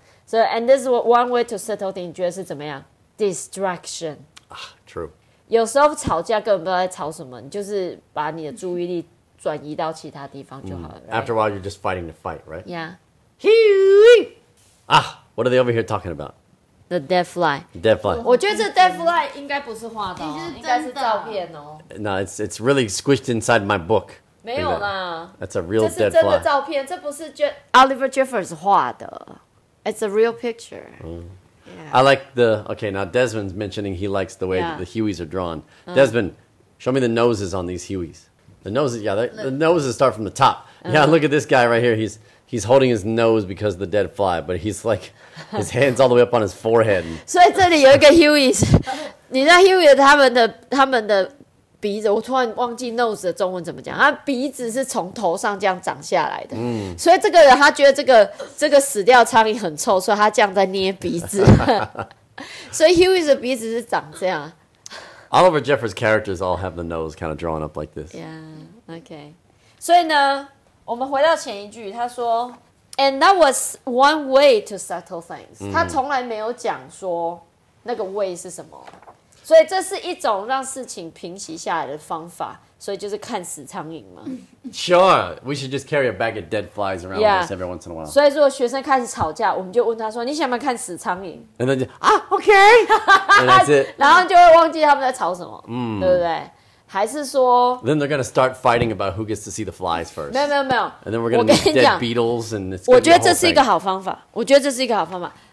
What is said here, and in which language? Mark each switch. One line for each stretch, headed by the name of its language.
English: So, and this is one way to settle things.
Chinese: 你觉得是怎么样
English: ？Distraction. Ah, true.
Chinese: 有时候吵架根本不知道在吵什么，你就是把你的注意力转移到其他地方就好了。Mm.
English: Right? After a while, you're just fighting the fight, right? Yeah. Ah, what are they over here talking about? The dead fly. Dead fly.
Chinese: 我觉得这 dead fly 应该不是画的，应该是照片哦。
English: No, it's really squished inside my book.
Chinese: 没有啦。
English: That's a real dead fly.
Chinese: 这是真的照片，这不是 Oliver Jeffers 画的。
English: It's a real picture.、Mm. Yeah. I like the... Okay, now Desmond's mentioning he likes the way、yeah. the Hueys are drawn.、Desmond, show me the noses on these Hueys. The noses, yeah, the noses start from the top.、Yeah, look at this guy right here. He's holding his nose because of the dead fly, but he's like, his hand's all the way up on his forehead. So here you have a Hueys. You know Hueys, their
Chinese: 鼻子，我突然忘记 nose 的中文怎么讲。他鼻子是从头上这样长下来的，嗯、所以这个人他觉得这个死掉苍蝇很臭，所以他这样在捏鼻子。所以 Hughes 的鼻子是长这样。
English: Oliver Jeffers characters all have the nose kind of drawn up like this. Yeah, okay.
Chinese: 所以呢，我们回到前一句，他说 ，
English: And that was one way to settle things.、
Chinese: 嗯、他从来没有讲说那个 way 是什么。所以这是一种让事情平息下来的方法，所以就是看死苍蝇嘛。
English: Sure, we should just carry a bag of dead flies around、yeah. with us every once in a while.
Chinese: 所以如果学生开始吵架，我们就问他说：“你想不想看死苍蝇？”
English: And then 就啊 ，okay, and that's it.
Chinese: 然后就会忘记他们在吵什么， mm. 对不对？还是说
English: ？Then they're gonna start fighting about who gets to see the flies first.
Chinese: 没有没有没有。
English: And then we're gonna meet dead beetles and it's.
Chinese: 我觉得这是一个好方法。我觉得这是一个好方法。